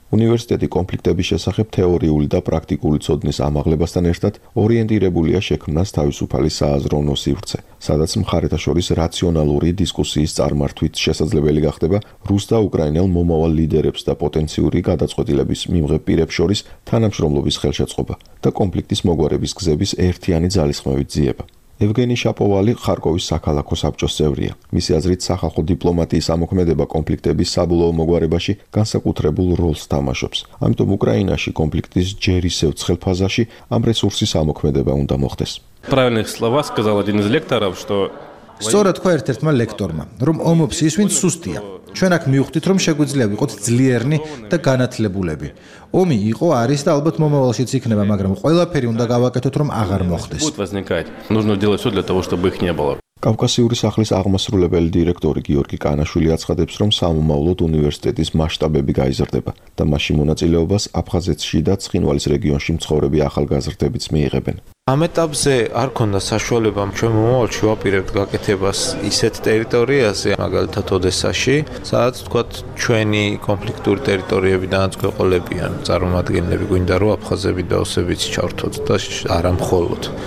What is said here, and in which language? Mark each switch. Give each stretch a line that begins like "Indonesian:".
Georgian: უნივერსიტეტი კონფლიქტების შესახებ თეორიული და პრაქტიკული ცოდნის ამაღლებასთან ერთად ორიენტირებულია შექმნას თავისუფალი სააზროვნო სივრცე, სადაც მხარეთა შორის რაციონალური დისკუსიის წარმართვით შესაძლებელი გახდება რუს და უკრაინელ მომავალ ლიდერებს და პოტენციური გადაწყვეტილების მიმღებ პირებს შორის თანამშრომლობის ხელშეწყობა და კონფლიქტის მოგვარების გზების ერთიანი ძალისხმევით ძიება. ევგენი შაპოვალი ხარკოვის საქალაქო საბჭოს წევრია. მისი აზრით, სახალხო დიპლომატიის ამოქმედება კონფლიქტების საბოლოო მოგვარებაში განსაკუთრებულ როლს თამაშობს. ამიტომ უკრაინაში კონფლიქტის ჯერ ისევ ცხელ ფაზაში ამ რესურსის ამოქმედება უნდა მოხდეს.
Russian: Правильных слова сказал один из лекторов, что
Georgian: სწორად თქვა ერთ-ერთმა ლექტორმა, რომ ომობს ის, ვინც სუსტია. ჩვენ აქ მივხვდით, რომ შეგვიძლია ვიყოთ ძლიერნი და განათლებულები. ომი იყო, არის და ალბათ მომავალშიც იქნება, მაგრამ ყველაფერი უნდა გავაკეთოთ, რომ აღარ მოხდეს.
Russian: Нужно делать всё для того, чтобы их не было.
Georgian: კავკასიური სახლის აღმასრულებელი დირექტორი გიორგი კანაშვილი აცხადებს, რომ სამომავლოდ უნივერსიტეტის მასშტაბები გაიზრდება და მასში მონაწილეობას აფხაზეთში და ცხინვალის რეგიონში მცხოვრები ახალგაზრდებიც მიიღებენ. ამ ეტაპზე არ ქონდა საშუალება ჩვენ მომავალში ვაპირებთ გაკეთებას ისეთ ტერიტორიაზე, მაგალითად ოდესაში, სადაც თქვათ ჩვენი კონფლიქტური ტერიტორიებიდანაც გვეყოლებიან წარმომადგენლები, გვინდა რომ აფხაზები და ოსებიც ჩართოთ და არა მხოლოდ.